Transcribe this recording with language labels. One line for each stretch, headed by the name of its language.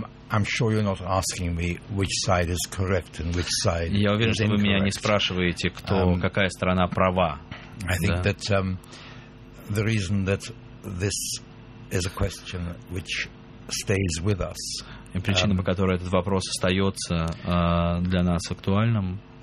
English: I'm sure you're not asking me which side is correct and which side is incorrect.
Russian: Я уверен, что вы меня не спрашиваете, кто, какая сторона права.
English: I think that the reason that this is a question which stays with us.
Russian: И причина, по которой этот вопрос остается для нас актуальным.